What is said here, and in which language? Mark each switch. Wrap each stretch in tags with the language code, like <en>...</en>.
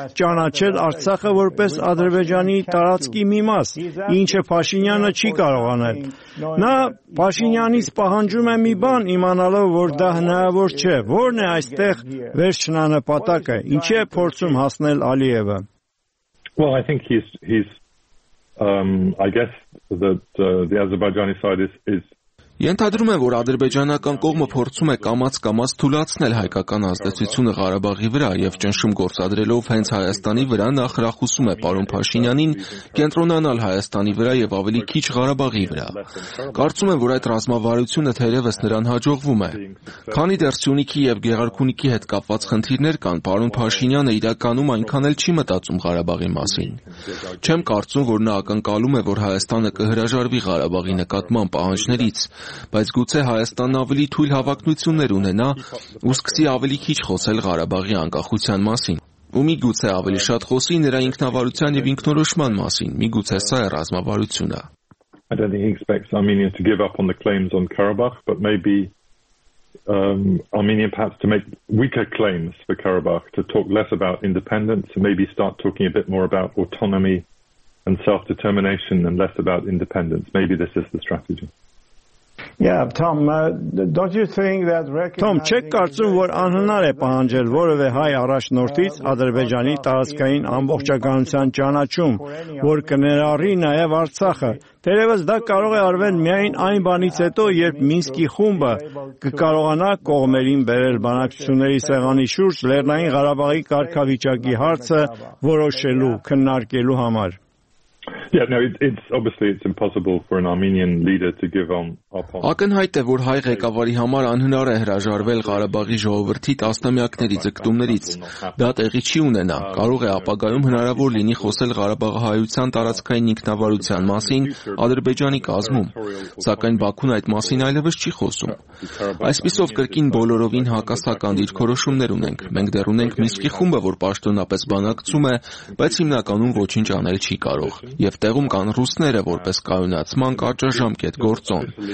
<hy>ճանաչել Արցախը որպես Ադրբեջանի տարածքի մի մաս, ինչը Փաշինյանը չի կարողանալ։ Նա Փաշինյանից պահանջում է մի բան, իմանալով, որ դա հնարավոր չէ։ Որն է այստեղ վերջնանպատակը, ինչի է փորձում հասնել Ալիևը։</hy> <en>Well, I think he's I guess that the Azerbaijani side is</en> <hy>Ենթադրում եմ, որ ադրբեջանական կողմը փորձում է կամաց-կամաց թուլացնել հայկական ազդեցությունը Ղարաբաղի վրա եւ ճնշում գործադրելով հենց Հայաստանի վրա նա խրախուսում է պարոն Փաշինյանին կենտրոնանալ Հայաստանի վրա եւ ավելի քիչ Ղարաբաղի վրա։ Կարծում եմ, որ այդ ռազմավարությունը թերևս նրան հաջողվում է։ Քանի դեռ Սյունիքի եւ Գեղարքունիքի հետ կապված խնդիրներ կան, պարոն Փաշինյանը իրականում այնքան էլ չի մտածում Ղարաբաղի մասին։ Չեմ կարծում, որ նա ակնկալում է, որ Հայաստանը կհրաժարվի Ղարաբաղի նկատմամբ պահանջներից, բայց գուցե Հայաստանն ավելի թույլ հավակնություններ ունենա ու սկսի ավելի քիչ խոսել Ղարաբաղի անկախության մասին, ու մի գուցե ավելի շատ խոսի նրա ինքնավարության եւ ինքնորոշման մասին, մի գուցե սա է ռազմավարությունը։</hy> <en>I don't think he expects Armenia to give up on the claims on Karabakh, but maybe Armenia perhaps to make weaker claims for Karabakh, to talk less about independence and maybe start talking a bit more about autonomy and self-determination and less about independence. Maybe this is the strategy. Yeah, Tom, don't you think that</en> <hy>Tom, չեք կարծում, որ անհնար է պահանջել որևէ հայ առաջնորդից Ադրբեջանի տարածքային ամբողջականության ճանաչում, որ կներառի նաև Արցախը։ Դերևս դա կարող է արվել միայն այն բանից հետո, երբ Մինսկի խումբը կկարողանա կողմերին բերել բանակցությունների սեղանի շուրջ Լեռնային Ղարաբաղի կարգավիճակի հարցը որոշելու, քննարկելու համար։</hy> <en>Yeah, no, it's obviously impossible for an Armenian leader to give on up on.</en> <hy>Ակնհայտ է, որ հայ ղեկավարի համար անհնար է հրաժարվել Ղարաբաղի ժողովրդի տասնամյակների ձգտումներից։ Դա տեղի չի ունենա։ Կարող է ապագայում հնարավոր լինի խոսել Ղարաբաղի հայության տարածքային ինքնավարության մասին Ադրբեջանի կազմում, սակայն Բաքուն այդ մասին այլևս չի խոսում։ Այսպիսով կրկին բոլորովին հակասական դիրքորոշումներ ունենք։ Մենք դեռ ունենք Միսկի խումբը, որ պաշտոնապես բանակցում է, բայց հիմնականում ոչինչ անել չի կարող։ Եվ տեղում կան ռուսները, որպես կայունացման կարճաժամկետ գործոն։</hy>